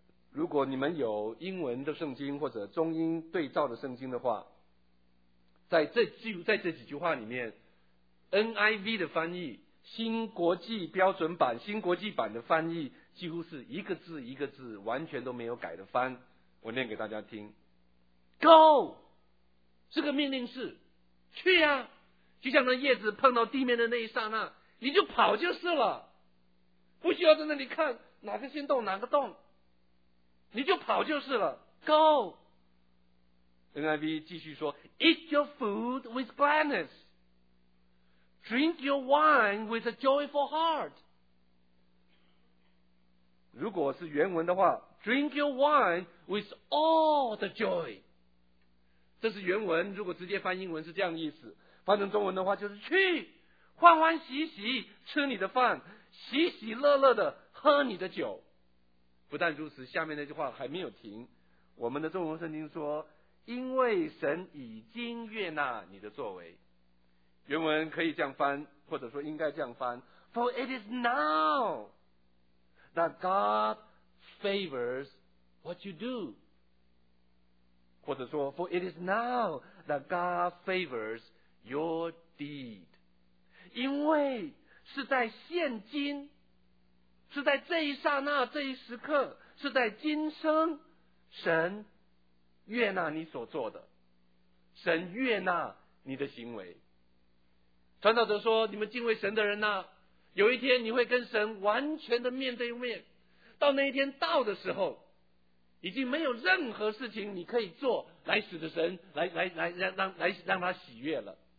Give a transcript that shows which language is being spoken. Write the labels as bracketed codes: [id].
[zh] 如果你们有英文的圣经或者中英对照的圣经的话，在这几句话里面， NIV 的翻译，新国际标准版，新国际版的翻译几乎是一个字一个字完全都没有改的翻，我念给大家听。 Go 是个命令式，去啊，就像那叶子碰到地面的那一刹那你就跑就是了，不需要在那里看哪个先动哪个动，你就跑就是了。 [en] Go NIV [zh] 继续说， [en] Eat your food with gladness, Drink your wine with a joyful heart。 [zh] 如果是原文的话， [en] Drink your wine with all the joy， [zh] 这是原文，如果直接翻英文是这样的意思，翻成中文的话就是去欢欢喜喜吃你的饭，喜喜乐乐的喝你的酒。不但如此，下面那句话还没有停，我们的中文圣经说，因为神已经悦纳你的作为，原文可以这样翻，或者说应该这样翻， [en] For it is nowThat God favors what you do. [zh] 或者说 [en] For it is now that God favors your deed. [zh] 因为是在现今，是在这一刹那这一时刻，是在今生，神悦纳你所做的，神悦纳你的行为。传道者说，你们敬畏神的人呐、啊，有一天你会跟神完全的面对面，到那一天到的时候，已经没有任何事情你可以做来使得神让他喜悦了。